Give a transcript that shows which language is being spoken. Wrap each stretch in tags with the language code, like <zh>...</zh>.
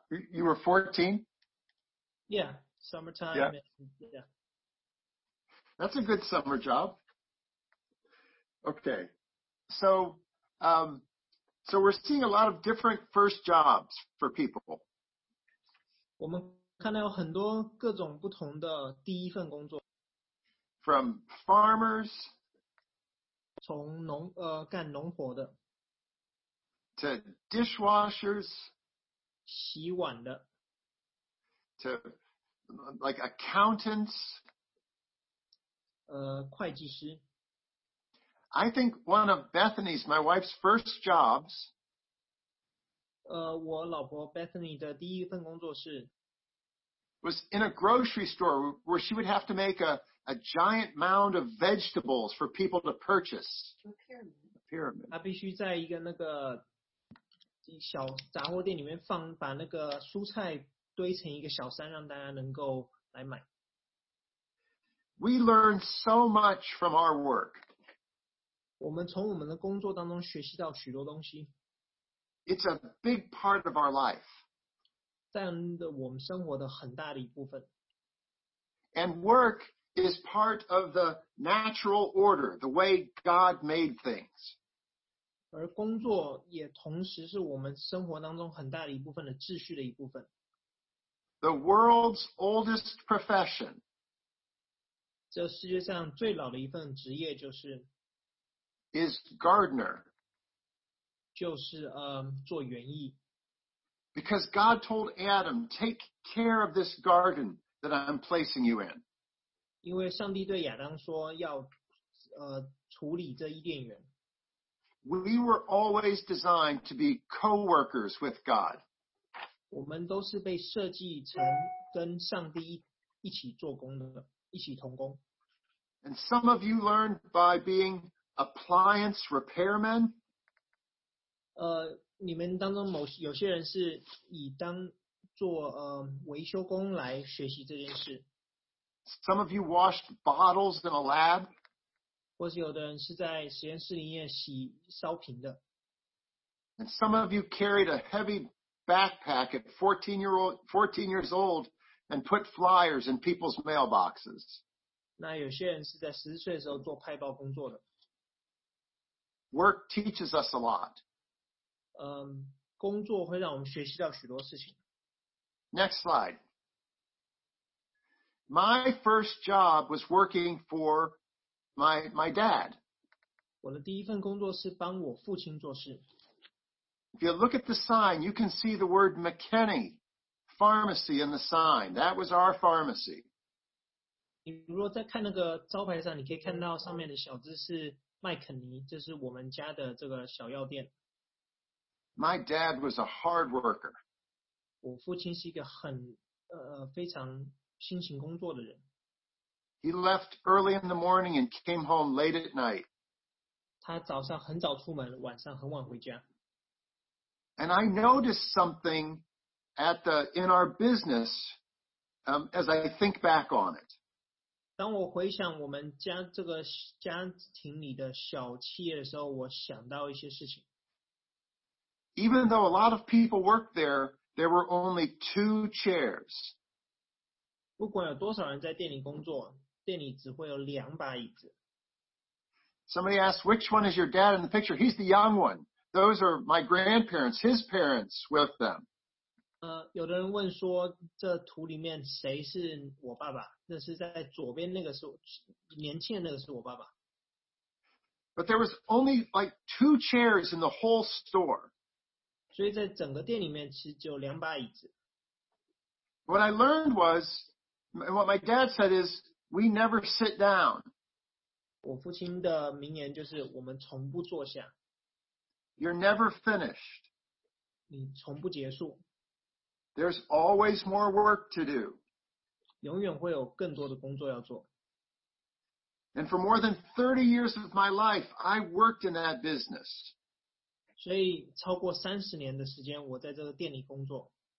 <en>You were 14? Yeah, summertime. Yeah. Yeah. That's a good summer job. Okay. So, so we're seeing a lot of different first jobs for people.</en> <zh>我们看到很多各种不同的第一份工作。</zh> <en>From farmers,</en> <zh>从农干农活的</zh> <en>to dishwashers,</en> <zh>洗碗的</zh> <en>to like accountants,</en> <zh>会计师</zh> <en>I think one of Bethany's, my wife's first jobs,</en> <zh>我老婆 Bethany 的第一份工作是</zh> <en>was in a grocery store where she would have to make a giant mound of vegetables for people to purchase. A pyramid.</en> <zh>他必须在一个那个小杂货店里面放，把那个蔬菜堆成一个小山，让大家能够来买。</zh> <en>We learn so much from our work.</en> <zh>我们从我们的工作当中学习到许多东西。</zh> <en>It's a big part of our life.</en> <zh>占了我们生活的很大的一部分。</zh> <en>And work. Is part of the natural order, the way God made things.</en> <zh>而工作也同时是我们生活当中很大的一部分的秩序的一部分。</zh> <en>The world's oldest profession.</en> <zh>这世界上最老的一份职业就是</zh> <en>is gardener.</en> <zh>就是做园艺。</zh> <en>Because God told Adam, take care of this garden that I'm placing you in.</en> <zh>因为上帝对亚当说要处理这伊甸园。</zh> <en>We were always designed to be co-workers with God.</en> <zh>我们都是被设计成跟上帝一起做工的，一起同工。</zh> <en>And some of you learned by being appliance repairmen.</en> <zh>你们当中有些人是以当做维修工来学习这件事。</zh> <en>Some of you washed bottles in a lab.</en> <zh>或是有的人是在实验室里面洗烧瓶的。</zh> <en>And some of you carried a heavy backpack at 14 years old and put flyers in people's mailboxes.</en> <zh>那有些人是在14岁的时候做派报工作的。</zh> <en>Work teaches us a lot.</en> <zh>工作会让我们学习到许多事情。</zh> <en>Next slide. My first job was working for my dad.</en> <zh>我的第一份工作是帮我父亲做事。</zh> <en>If you look at the sign, you can see the word McKinney Pharmacy in the sign. That was our pharmacy.</en> <zh>你如果在看那个招牌上，你可以看到上面的小字是麦肯尼，这是我们家的这个小药店。</zh> <en>My dad was a hard worker.</en> <zh>我父亲是一个很非常。辛勤工作的人。</zh> <en>He left early in the morning and came home late at night.</en> <zh>他早上很早出门，晚上很晚回家。</zh> <en>And I noticed something in our business, as I think back on it.</en> <zh>当我回想我们家这个家庭里的小企业的时候，我想到一些事情。</zh> <en>Even though a lot of people worked there, there were only two chairs.</en> <zh>不管有多少人在店里工作，店里只会有两把椅子。</zh> <en>Somebody asked, which one is your dad in the picture? He's the young one. Those are my grandparents, his parents with them.</en> <zh>有的人问说这图里面谁是我爸爸，那是在左边那个是年轻的那个是我爸爸。</zh> <en>But there was only like two chairs in the whole store.</en> <zh>所以在整个店里面其实只有两把椅子。</zh> <en>What I learned was, what my dad said is, we never sit down.</en> <zh>我父亲的名言就是我们从不坐下。</zh> <en>You're never finished.</en> <zh>你从不结束。</zh> <en>There's always more work to do.</en> <zh>永远会有更多的工作要做。</zh> <en>And for more than 30 years of my life, I worked in that business.</en> <zh>所以超过30年的时间我在这个店里工作。</zh>